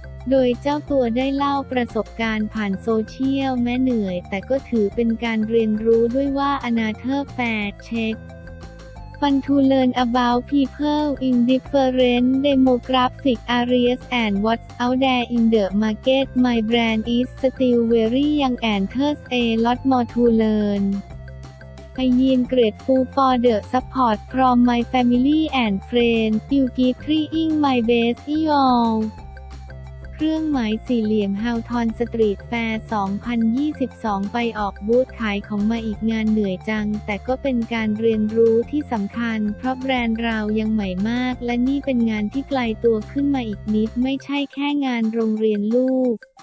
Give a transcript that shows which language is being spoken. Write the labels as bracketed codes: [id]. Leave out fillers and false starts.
[th] โดยเจ้าตัวได้เล่าประสบการณ์ผ่านโซเชียลแม้เหนื่อยแต่ก็ถือเป็นการเรียนรู้ด้วยว่า [en] อนาเธอร์แฟร์เช็คFun to learn about people in different demographic areas and what's out there in the market. My brand is still very young and there's a lot more to learn. I'm grateful for the support from my family and friends. You keep trying my best, y'all. [th] เครื่องหมายสี่เหลี่ยมฮาวทอนสตรีทแฟร์2022ไปออกบูธขายของมาอีกงานเหนื่อยจังแต่ก็เป็นการเรียนรู้ที่สำคัญเพราะแบรนด์เรายังใหม่มากและนี่เป็นงานที่ไกลตัวขึ้นมาอีกนิดไม่ใช่แค่งานโรงเรียนลูก